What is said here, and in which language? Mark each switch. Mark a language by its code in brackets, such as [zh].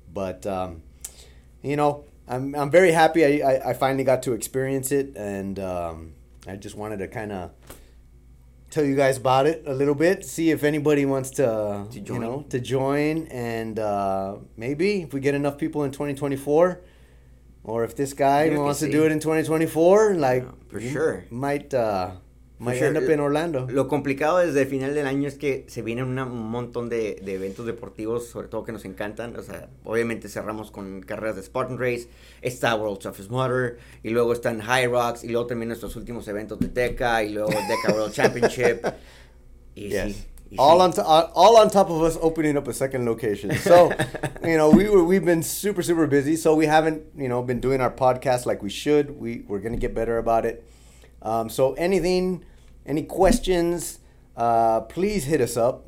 [en] But, you know, I'm very happy I finally got to experience it, and I just wanted to kind of tell you guys about it a little bit, see if anybody wants to join. You know, to join, and maybe if we get enough people in 2024, or if this guy wants to do it in 2024, like, yeah, for sure, might... Sure. End up in Orlando. [es] Lo complicado desde el final del año es que se vienen un montón de eventos deportivos, sobre todo que nos encantan. O sea, obviamente cerramos con carreras de Spartan Race, está World Toughest Mudder, y luego están High Rocks, y luego también nuestros últimos eventos de DECA, y luego DECA World Championship. Y yes. Sí. [en] All on top of us opening up a second location. So, you know, we've been super, super busy, so we haven't, you know, been doing our podcast like we should. We're going to get better about it. So anything, any questions, please hit us up.